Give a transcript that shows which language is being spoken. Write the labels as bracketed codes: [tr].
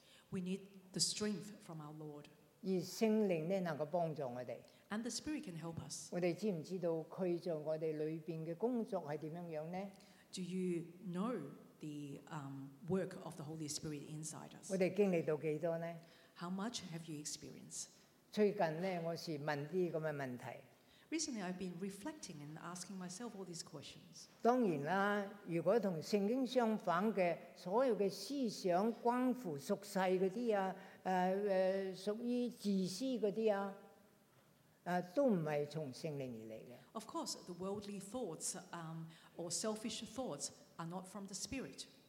[en] We need the strength from our Lord. [yue] 而圣灵咧能够帮助我哋。 [en] And the Spirit can help us. [yue] 我哋知唔知道佢在我哋里边嘅工作系点样样咧 [en] ？Do you know? The work of the Holy Spirit inside us. [yue] 我哋經歷到幾多呢 [en] ？How much have you experienced? [yue] 最近咧，我是問啲咁嘅問題。 [en] Recently, I've been reflecting and asking myself all these questions. [yue] 當然啦，如果同聖經相反嘅所有嘅思想，關乎屬世嗰啲啊，屬於自私嗰啲啊。都唔係從聖靈而嚟嘅。 [en] Of course, the worldly thoughts, or selfish thoughts are not from the Spirit.